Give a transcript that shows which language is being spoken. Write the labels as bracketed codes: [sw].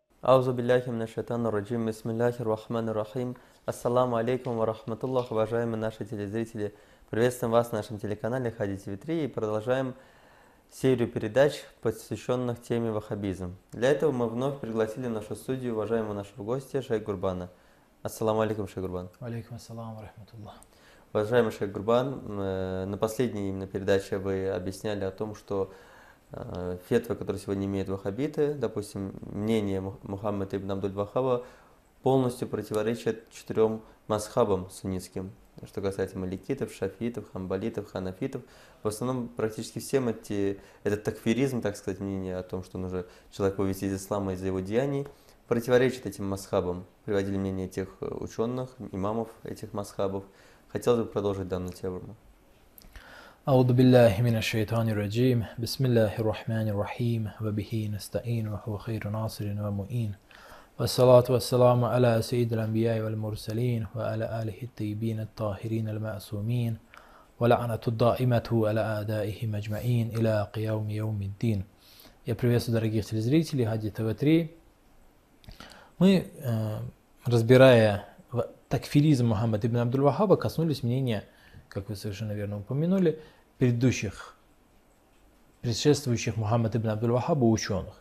[ar] أعوذ بالله من الشيطان الرجيم. بسم الله الرحمن الرحيم. السلام عليكم ورحمة الله. [ru] Уважаемые наши телезрители, приветствуем вас на нашем телеканале Хади ТВ 3 и продолжаем серию передач, посвященных теме ваххабизм. Для этого мы вновь пригласили в нашу студию уважаемого нашего гостя Шейх Гурбана. Ассаламу алейкум, Шейх Гурбан. Алейкум ассалам, рахматуллах. Уважаемый Шейх Гурбан, на последней именно передаче вы объясняли о том, что фетва, которая сегодня имеет ваххабиты, допустим, мнение Мухаммада ибн Абдуль Вахаба полностью противоречит четырем мазхабам суннитским, что касается маликитов, шафитов, хамбалитов, ханафитов. В основном практически всем этот такфиризм, так сказать, мнение о том, что нужно человек вывести из ислама из-за его деяний, противоречит этим мазхабам, приводили мнение этих ученых, имамов этих мазхабов. Хотелось бы продолжить данную тему. [ar] أعوذ بالله من الشيطان الرجيم بسم الله الرحمن الرحيم وبه نستعين وهو خير ناصر ومؤين والصلاة والسلام على سيد الأنبياء والمرسلين وعلى آله الطيبين الطاهرين المعصومين ولعنة الدائمة على أعدائه مجمعين إلى قيام يوم الدين. [ru] Я приветствую дорогих телезрителей Хади ТВ 3. Мы, разбирая такфиризм Мухаммада ибн Абдул Вахаба, коснулись мнения, как вы совершенно верно упомянули, предшествующих Мухаммад ибн Абдул Вахаба ученых.